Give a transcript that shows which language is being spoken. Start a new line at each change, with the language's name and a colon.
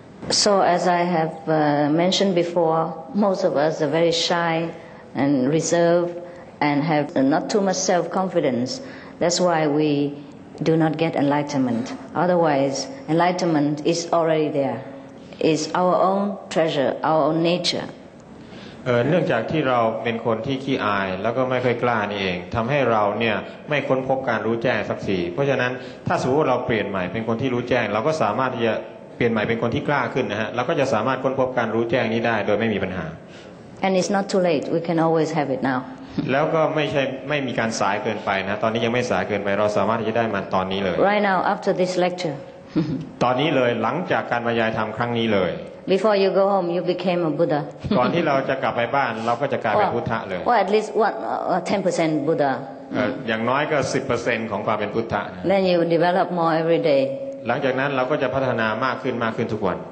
English: So as I have mentioned before most of us are very shy and reserved and have not too much self confidence that's why we do not get enlightenment otherwise enlightenment is already there is our own treasure our own nature
Thai: เนื่องจากที่เราเป็นคนที่ขี้อายแล้วก็ไม่ค่อยกล้านี่เองทำให้เราเนี่ยไม่ค้นพบการรู้แจ้งสักทีเพราะฉะนั้นถ้าสมมติว่าเราเปลี่ยนใหม่เป็นคนที่รู้แจ้งเราก็สามารถที่จะเปลี่ยนใหม่เป็นคนที่กล้าขึ้นนะฮะเราก็จะสามารถค้นพบการรู้แจ้งนี้ได้โดยไม่มีปัญหา
English: And it's not too late we can always have it now
Thai: แล้วก็ไม่มีการสายเกินไปนะตอนนี้ยังไม่สายเกินไปเราสามารถที่จะได้มันตอนนี้เลย
English: Right now after this lecture
Thai: ตอนนี้เลยหลังจากการบรรยายธรรมครั้งนี้เลย
English: Before you go home, you became a Buddha.
Thai: ก่อนที่เราจะกลับไปบ้านเราก็จะกลายเป็นพุทธะเลย
English: Well, at least what 10% Buddha.
Thai: อย่างน้อยก็ 10% ของความเป็นพุทธะ
English: Then you develop more every day.
Thai: หลังจากนั้นเราก็จะพัฒนามากขึ้นมากขึ้นทุกวัน